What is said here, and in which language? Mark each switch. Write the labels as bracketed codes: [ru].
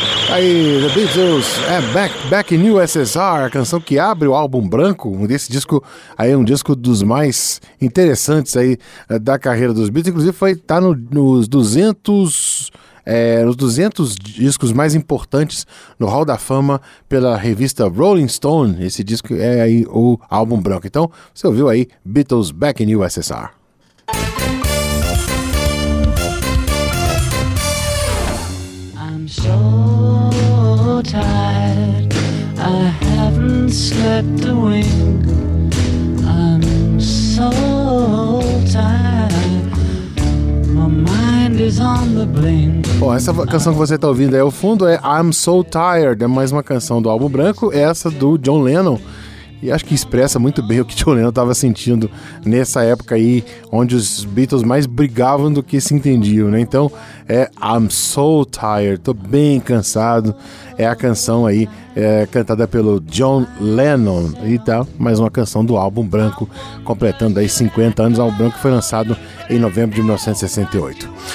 [pt] Aí, The Beatles, Back in USSR, a canção que abre o álbum branco, desse disco aí, um disco dos mais interessantes aí da carreira dos Beatles, inclusive foi estar nos 200... os 200 discos mais importantes no Hall da Fama pela revista Rolling Stone. Esse disco é aí o álbum branco. Então, você ouviu aí Beatles Back in USSR. [en] I'm so tired, I haven't slept a wink. I'm so tired, my mind is on the blink. [pt] Bom, essa canção que você está ouvindo aí ao fundo é I'm So Tired, é mais uma canção do álbum branco, essa do John Lennon, e acho que expressa muito bem o que John Lennon estava sentindo nessa época aí, onde os Beatles mais brigavam do que se entendiam, né? Então é I'm So Tired, tô bem cansado, é a canção aí cantada pelo John Lennon, e tá mais uma canção do álbum branco, completando aí 50 anos, o álbum branco foi lançado em novembro de 1968.